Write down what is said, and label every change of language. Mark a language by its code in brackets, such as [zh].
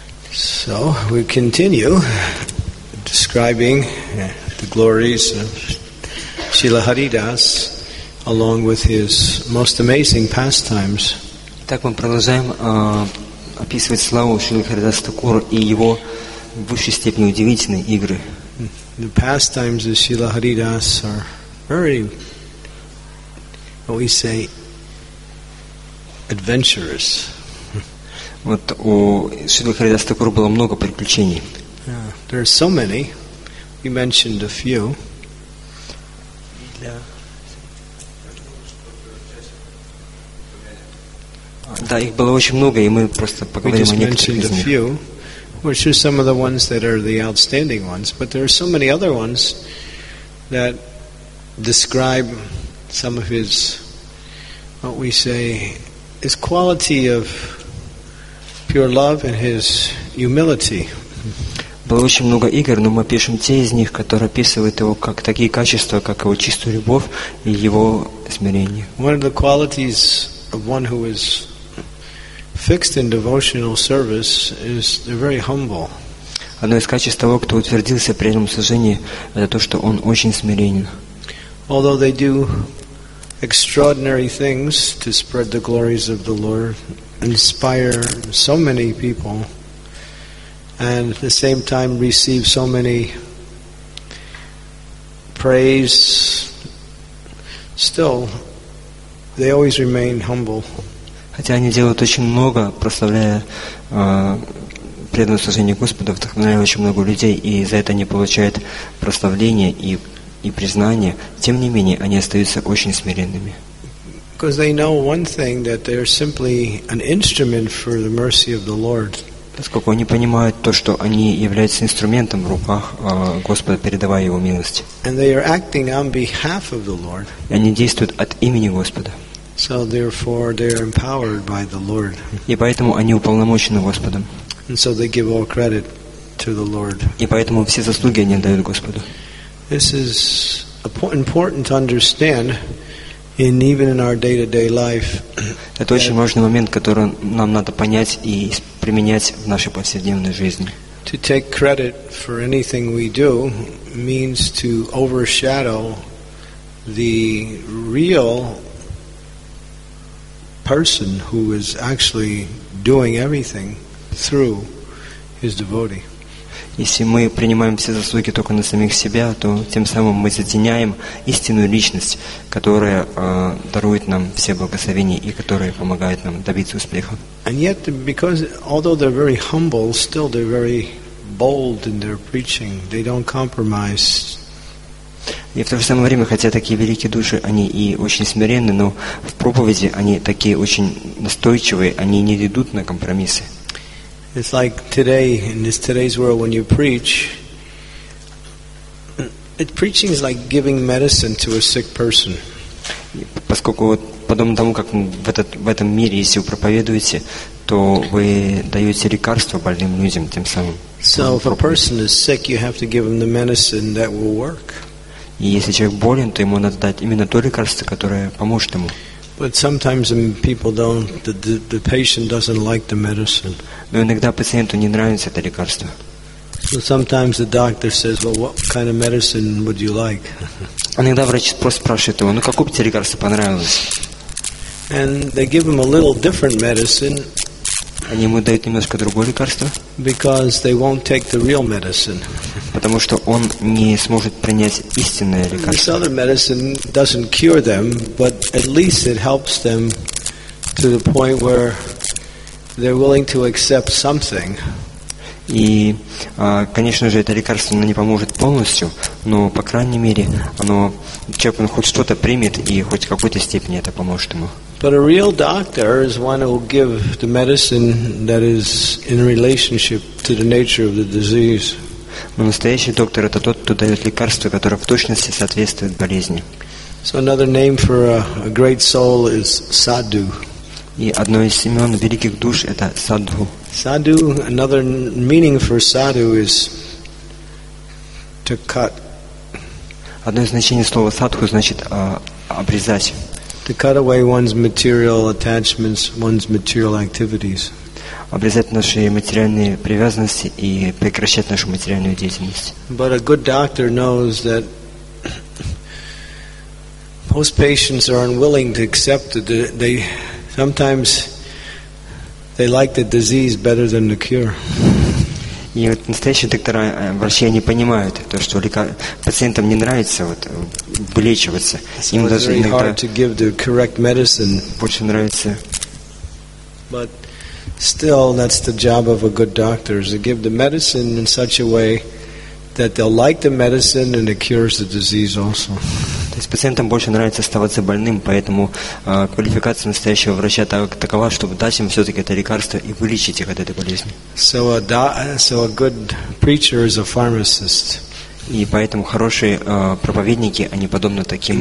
[en] So we continue describing the glories of Srila Haridas along with his most amazing pastimes. [ru] Так мы продолжаем описывать славу Шрилы Харидаса Такура и его в высшей степени удивительные игры. [en] The pastimes of Srila Haridas are very, what we say, adventurous. [ru] Вот у Шрилы Харидаса Такура было много приключений. [en] There are so many. We mentioned a few. [ru] Да, их было очень много, и мы просто поговорим о некоторых из них. [en] We just mentioned a few, which are some of the ones that are the outstanding ones, but there are so many other ones that describe some of his, what we say, his quality of pure love and his humility. [ru] Было очень много игр, но мы пишем те из них, которые описывают его как такие качества, как его чистую любовь и его смирение. [en] One of the qualities of one who is fixed in devotional service is they're very humble. [ru] Одно из качеств того, кто утвердился в преданном служении, это то, что он очень смиренен. [en] Although they do extraordinary things to spread the glories of the Lord, inspire so many people, and at the same time receive so many praise, still they always remain humble. [ru] Хотя они делают очень много, прославляя преданное служение Господа, вдохновляя очень много людей, и за это они получают прославление и признание, тем не менее они остаются очень смиренными. [en] Because they know one thing, that they are simply an instrument for the mercy of the Lord. [ru] Поскольку они понимают то, что они являются инструментом в руках Господа, передавая Его милость. [en] And they are acting on behalf of the Lord. [ru] И они действуют от имени Господа. [en] So therefore they are empowered by the Lord. [ru] И поэтому они уполномочены Господом. [en] And so they give all credit to the Lord. [ru] И поэтому все заслуги они дают Господу. [en] This is important to understand in even in our day-to-day life. [ru] Это очень важный момент, который нам надо понять и применять в нашей повседневной жизни. [en] To take credit for anything we do means to overshadow the real person who is actually doing everything through his devotee. [ru] Если мы принимаем все заслуги только на самих себя, то тем самым мы затеняем истинную личность, которая дарует нам все благословения и которая помогает нам добиться успеха. [en] And yet, because although they're very humble, still they're very bold in their preaching. They don't compromise. [ru] И в то же самое время, хотя такие великие души, они и очень смиренны, но в проповеди они такие очень настойчивые, они не идут на компромиссы. [en] It's like today, in this today's world, when you preach, preaching is like giving medicine to a sick person. [ru] Поскольку, подобно тому, как в этом мире, если вы проповедуете, то вы даете лекарство больным людям тем самым. [en] So if a person is sick, you have to give him the medicine that will work. [ru] И если человек болен, то ему надо дать именно то лекарство, которое поможет ему. [en] But sometimes people don't, the patient doesn't like the medicine. [ru] Но иногда пациенту не нравится это лекарство. [en] So sometimes the doctor says, well, what kind of medicine would you like? [ru] Иногда врач просто спрашивает его, ну какое бы тебе лекарство понравилось? [en] And they give him a little different medicine. [ru] Они ему дают немножко другое лекарство. [en] Because they won't take the real medicine. [ru] Потому что он не сможет принять истинное лекарство. [en] This other medicine doesn't cure them, but at least it helps them to the point where they're willing to accept something. [ru] И, конечно же, это лекарство не поможет полностью, но, по крайней мере, оно, человек хоть что-то примет и хоть в какой-то степени это поможет ему. [en] But a real doctor is one who will give the medicine that is in relationship to the nature of the disease. [ru] Но настоящий доктор — это тот, кто дает лекарство, которое в точности соответствует болезни. [en] So another name for a great soul is sadhu. [ru] И одно из имен великих душ — это садху. [en] Sadhu, another meaning for sadhu is to cut. [ru] Одно из значений слова садху значит обрезать. [en] To cut away one's material attachments, one's material activities. [ru] Обрезать наши материальные привязанности и прекращать нашу материальную деятельность. [en] But a good doctor knows that most patients are unwilling to accept that they sometimes they like the disease better than the cure. [ru] И вот настоящие доктора, врачи, они понимают то, что пациентам не нравится вот вылечиваться. Им даже [en] hard to give the correct medicine. [ru] Больше нравится. [en] But still, that's the job of a good doctor, is to give the medicine in such a way that they'll like the medicine and it cures the disease also. [ru] То есть пациентам больше нравится оставаться больным, поэтому квалификация настоящего врача такова, чтобы дать им все-таки это лекарство и вылечить их от этой болезни. [en] So a good preacher is a pharmacist. [ru] И поэтому хорошие проповедники, они подобны таким